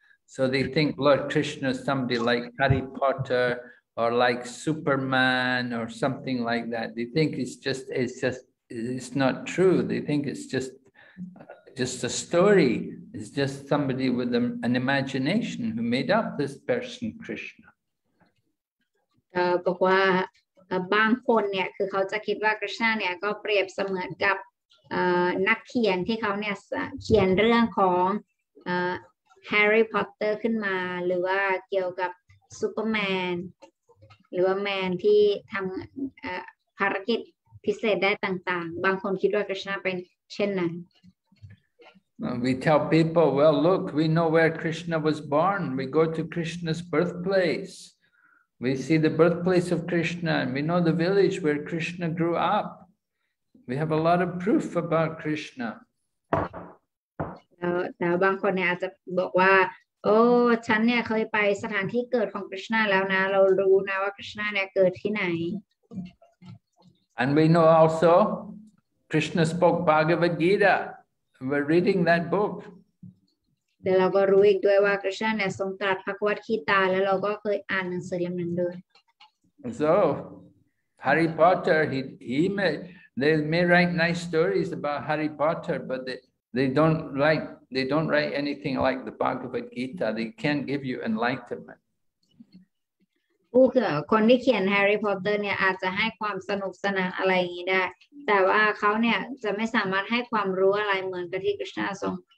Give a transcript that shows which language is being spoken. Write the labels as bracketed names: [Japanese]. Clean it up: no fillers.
[English] So they think Lord Krishna is somebody like Harry Potter or like Superman or something like that. They think it's not true. They think it's just a story. It's just somebody with an imagination who made up this person, Krishna. [Thai] บางคนเนี่ยคือเขาจะคิดว่าคริชนาเนี่ยก็เปรียบเสมือนกับนักเขียนที่เขาเนี่ยเขียนเรื่องของแฮร์รี่พอตเตอร์ขึ้นมาหรือว่าเกี่ยวกับซูเปอร์แมนหรือว่าแมนที่ทำภารกิจพิเศษได้ต่างๆบางคนคิดว่าคริชนาเป็นเช่นนั้น [English] We tell people, well, look, we know where Krishna was born. We go to Krishna's birthplaceWe see the birthplace of Krishna, and we know the village where Krishna grew up. We have a lot of proof about Krishna. Now, [Thai] บางคนเนี่ยอาจจะบอกว่าโอ้ฉันเนี่ยเคยไปสถานที่เกิดของคริชนาแล้วนะเรารู้นะว่าคริชนาเนี่ยเกิดที่ไหน [English] And we know also Krishna spoke Bhagavad Gita. We're reading that book. [Thai] เดี๋ยวเราก็รู้อีกด้วยว่าคริชนาเนี่ยทรงตรัสภควัตคีตาแล้วเราก็เคยอ่านหนังสือเล่มนั้นด้วย [English] So Harry Potter they may write nice stories about Harry Potter but they don't write anything like the Bhagavad Gita they can't give you enlightenment [Thai] ผู้คนที่เขียน Harry Potter เนี่ยอาจจะให้ความสนุกสนานอะไรอย่างนี้ได้แต่ว่าเขาเนี่ยจะไม่สามารถให้ความรู้อะไรเหมือนกับที่คริชนาทรง